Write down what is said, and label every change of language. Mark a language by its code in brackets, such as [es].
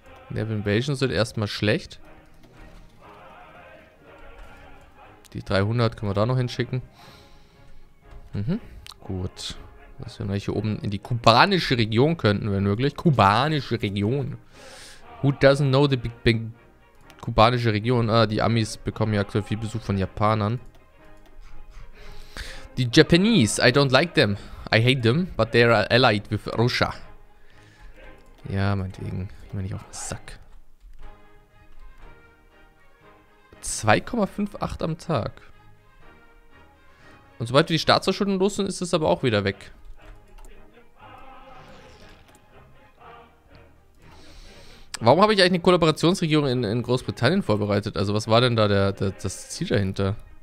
[de] Die Invasion sind erstmal schlecht. Die 300 können wir da noch hinschicken. Gut. Dass wir hier oben in die kubanische Region könnten, wenn möglich. Kubanische Region. [en] Who doesn't know the big, big [de] kubanische Region? Ah, die Amis bekommen ja aktuell viel Besuch von Japanern. [en] Die Japanese. I don't like them. I hate them, but they are allied with Russia. [de] Ja, meinetwegen. Ich meine, ich auf den Sack. 2,58 am Tag. Und sobald wir die Staatsverschuldung los sind, ist es aber auch wieder weg. Warum habe ich eigentlich eine Kollaborationsregierung in Großbritannien vorbereitet? Also was war denn da das Ziel dahinter?